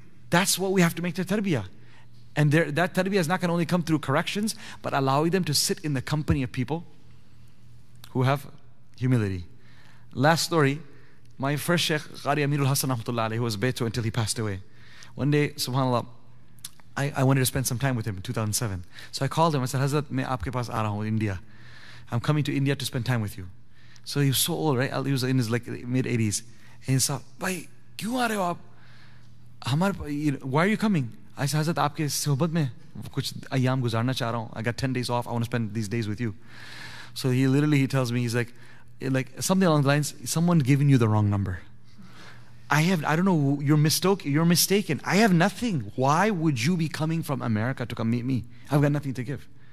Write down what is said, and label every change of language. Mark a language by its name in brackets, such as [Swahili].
[English] That's what we have to make their tarbiyah. And that tarbiyah is not going to only come through corrections, but allowing them to sit in the company of people who have humility. Last story, my first Sheikh, Qari Amirul Hassan, who was Beto until he passed away. One day, subhanAllah, I wanted to spend some time with him in 2007. So I called him. I said, [Urdu] حضرت، میں آپ کے پاس آ رہا ہوں، [English] India. I'm coming to India to spend time with you. So he was so old, right? He was in his like mid-80s. And he said, [Urdu] بھائی، کیوں آ رہے ہو آپ؟ [English] Why are you coming? I said, [Urdu] حضرت، آپ کے صحبت میں کچھ ایام گزارنا چاہ رہا ہوں۔ [English] I got 10 days off. I want to spend these days with you. So he tells me, he's like something along the lines, someone giving you the wrong number. You're mistaken. I have nothing. Why would you be coming from America to come meet me? I've got nothing to give.